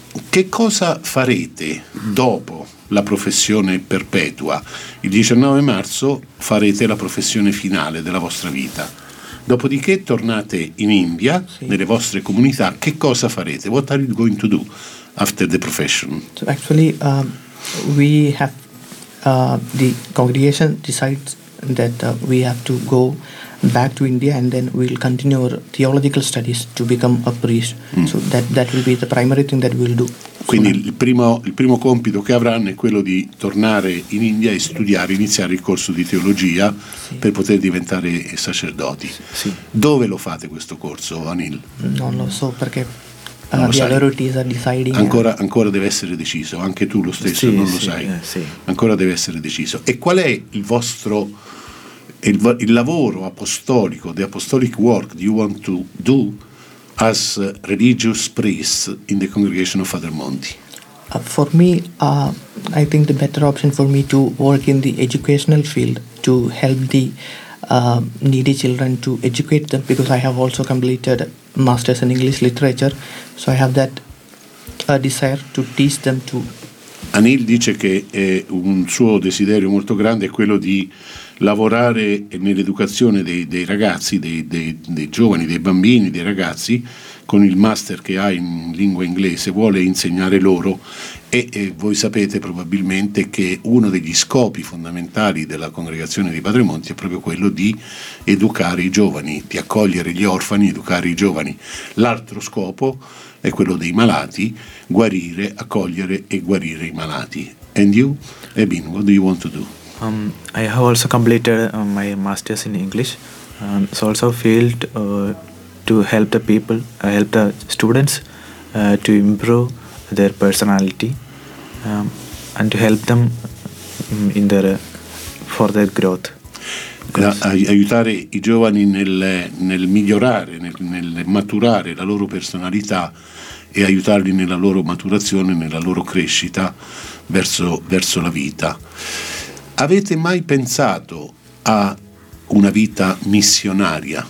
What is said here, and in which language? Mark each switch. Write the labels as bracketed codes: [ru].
[it] Che cosa farete dopo la professione perpetua? Il 19 marzo farete la professione finale della vostra vita. Dopodiché tornate in India, sì, nelle vostre comunità. Che cosa farete? [en] What are you going to do after the profession? So actually, we have the congregation decides that we have to go back to India and then we'll continue our theological studies to become a priest. So that will be the primary thing that we'll do. [it] Quindi il primo compito che avranno è quello di tornare in India e studiare, iniziare il corso di teologia, sì, per poter diventare sacerdoti. Sì. Dove lo fate questo corso, Anil? Non lo so, perché [en] the authorities are deciding. [it] Ancora deve essere deciso, anche tu lo stesso, sì, non sì, lo sai. Sì. Ancora deve essere deciso. E qual è il vostro il lavoro apostolico, [en] the apostolic work do you want to do as religious priest in the congregation of Father Monti? For me, I think the better option for me to work in the educational field to help the needy children, to educate them, because I have also completed masters in English literature, so I have that desire to teach them to. [it] Anil dice che è un suo desiderio molto grande è quello di lavorare nell'educazione dei ragazzi, dei giovani, dei bambini, dei ragazzi, con il master che ha in lingua inglese, vuole insegnare loro. E voi sapete probabilmente che uno degli scopi fondamentali della congregazione di Padre Monti è proprio quello di educare i giovani, di accogliere gli orfani, educare i giovani. L'altro scopo è quello dei malati, guarire, accogliere e guarire i malati. [en] And you, Ebin, what do you want to do? I have also completed my master's in English, and so also failed to help the people, help the students to improve their personality and to help them in their for their growth. [it] Aiutare i giovani nel migliorare, nel maturare la loro personalità e aiutarli nella loro maturazione, nella loro crescita verso la vita. Avete mai pensato a una vita missionaria?